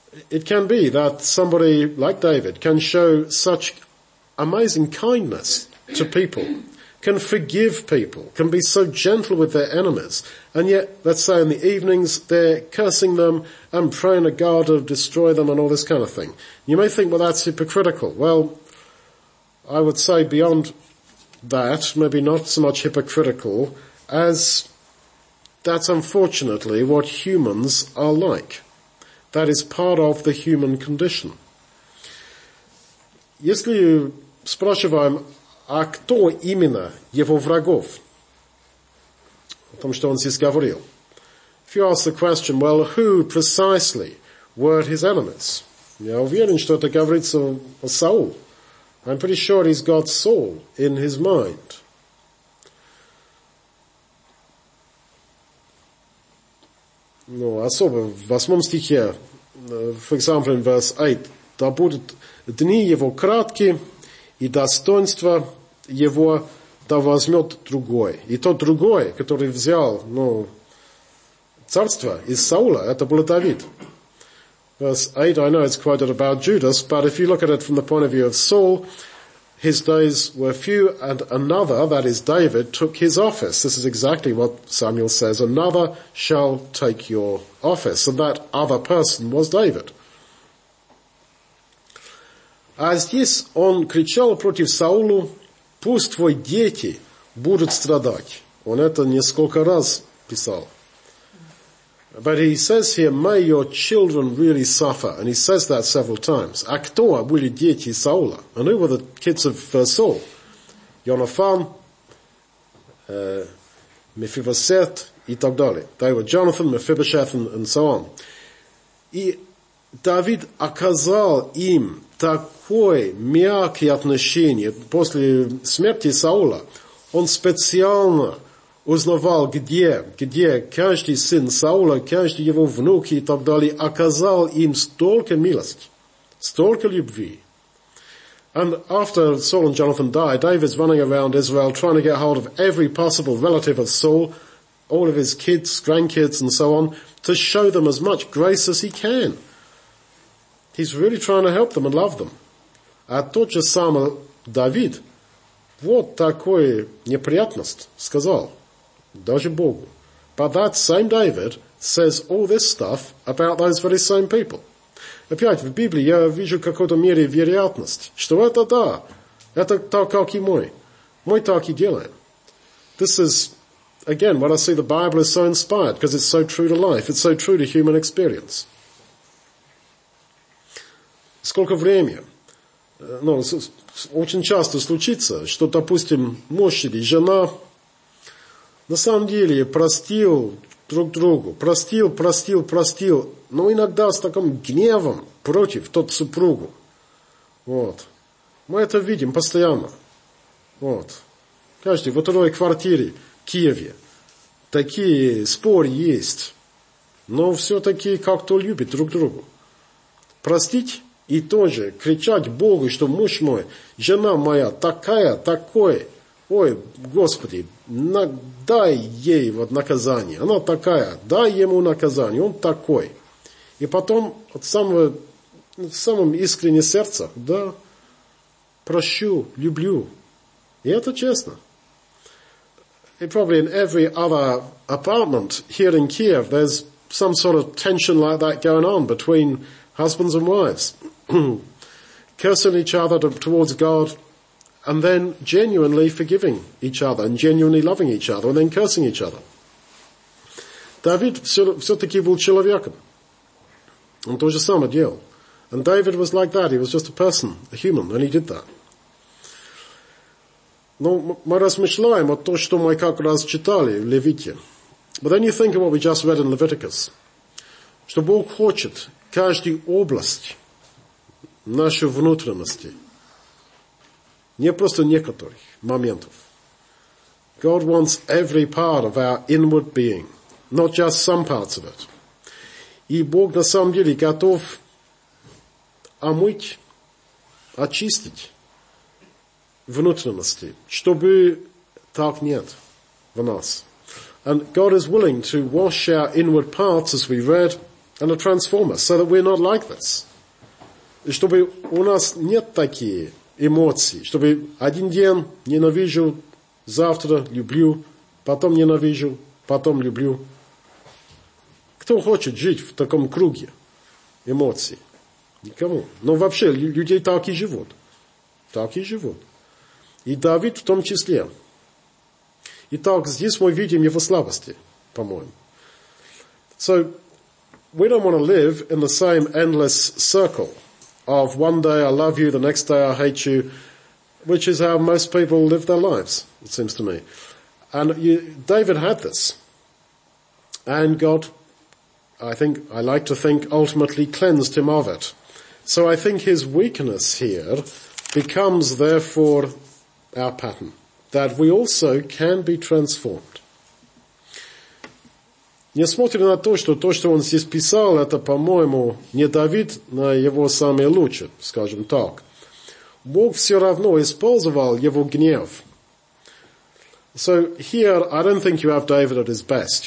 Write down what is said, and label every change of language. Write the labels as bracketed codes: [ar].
[en] It can be that somebody like David can show such amazing kindness to people, can forgive people, can be so gentle with their enemies, and yet, let's say in the evenings, they're cursing them and praying to God to destroy them and all this kind of thing. You may think, well, that's hypocritical. Well, I would say beyond that, maybe not so much hypocritical, as that's unfortunately what humans are like. That is part of the human condition. [ru] Если you спрашиваем, а кто именно его врагов? О том, что он здесь говорил. [en] If you ask the question, well, who precisely were his enemies? [ru] Я уверен, что это говорится о Саул. [en] I'm pretty sure he's got Saul in his mind. [ru] Ну, особо в 8 стихе, [en] for example, in verse 8, [ru] да будут дни его краткие, и достоинство его да возьмет другой. И тот другой, который взял, ну, царство из Саула, это был Давид. [en] Verse 8, I know it's quoted about Judas, but if you look at it from the point of view of Saul, his days were few, and another, that is David, took his office. This is exactly what Samuel says, another shall take your office. And that other person was David. [ru] А здесь он кричал против Саулу, пусть твои дети будут страдать. Он это несколько раз писал. [en] But he says here, may your children really suffer. And he says that several times. [ru] А кто были дети Саула? [en] And who were the kids of Saul? [ru] Йонафан, Мефибосет и так далее. [en] They were Jonathan, Mephibosheth and so on. [ru] И Давид оказал им такое мягкое отношение после смерти Саула. Он специально узнавал, где каждый сын Саула, каждый его внук и так далее, оказал им столько милости, столько любви. [en] And after Saul and Jonathan died, David's running around Israel trying to get hold of every possible relative of Saul, all of his kids, grandkids and so on, to show them as much grace as he can. He's really trying to help them and love them. [ru] А тот же самый Давид вот такую неприятность сказал, даже Богу. [en] But that same David says all this stuff about those very same people. [ru] Опять, в Библии я вижу в какой-то мере вероятность, что это да, это так, как и мой. Мы так и делаем. [en] This is, again, what I see the Bible is so inspired, because it's so true to life, it's so true to human experience. [ru] Сколько времени? Ну, очень часто случится, что, допустим, муж или жена на самом деле простил друг другу, простил, но иногда с таким гневом против тот супругу. Вот. Мы это видим постоянно. Вот. Каждый во второй квартире в Киеве такие споры есть, но все-таки как-то любят друг друга. Простить и тоже кричать Богу, что муж мой, жена моя такая, такой. Ой, Господи, дай ей вот наказание. Она такая, дай ему наказание, он такой. И потом от самого, в самом искреннем сердце, да, прощу, люблю. И это честно. [en] And probably in every other apartment here in Kiev, there's some sort of tension like that going on between husbands and wives. Cursing each other towards God, and then genuinely forgiving each other, and genuinely loving each other, and then cursing each other. [ru] David все-таки был человеком. Он тоже самое делал. [en] And David was like that, he was just a person, a human, and he did that. [ru] Ну, мы размышляем о том, что мы как раз читали в Левите. [en] But then you think of what we just read in Leviticus. [ru] Что Бог хочет каждую область нашей внутренности. Не просто некоторых моментов. [en] God wants every part of our inward being. Not just some parts of it. [ru] И Бог на самом деле готов омыть, очистить внутренности, чтобы так нет в нас. [en] And God is willing to wash our inward parts, as we read, and to transform us, so that we're not like this. [ru] И чтобы у нас нет такие эмоции, чтобы один день ненавижу, завтра люблю, потом ненавижу, потом люблю. Кто хочет жить в таком круге эмоций? Никому. Но вообще, людей так и живут. Так и живут. И Давид в том числе. Итак, здесь мы видим его слабости, по-моему. [en] So, we don't want to live in the same endless circle of one day I love you, the next day I hate you, which is how most people live their lives, it seems to me. And you, David had this. And God, I like to think, ultimately cleansed him of it. So I think his weakness here becomes, therefore, our pattern, that we also can be transformed. [ru] Несмотря на то, что он здесь писал, это, по-моему, не Давид, но его самое лучшее, скажем так. Бог все равно использовал его гнев. [en] So here, I don't think you have David at his best.